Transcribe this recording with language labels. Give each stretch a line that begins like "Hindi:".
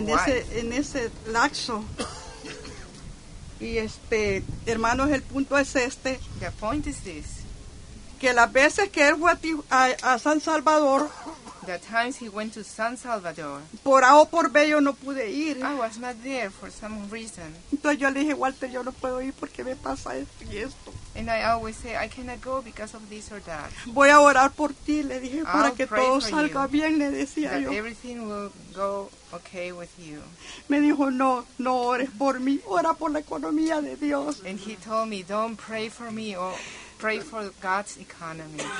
English: wife.
Spanish: En ese lapso. Y hermanos, el punto es este.
English: The point is this.
Spanish: Que las veces que él fue a San Salvador.
English: The times he went to San Salvador.
Spanish: Por A o por B yo no pude ir.
English: I was not there for some reason.
Spanish: Entonces yo le dije, Walter, yo no puedo ir porque me pasa esto y esto.
English: And I always say, I cannot go because of this or that.
Spanish: Voy a orar por ti, le dije, para que todo salga bien, le decía yo.
English: That everything will go okay with you.
Spanish: Me dijo, no ores por mí, ora por la economía de Dios.
English: And he told me, don't pray for me or pray for God's economy.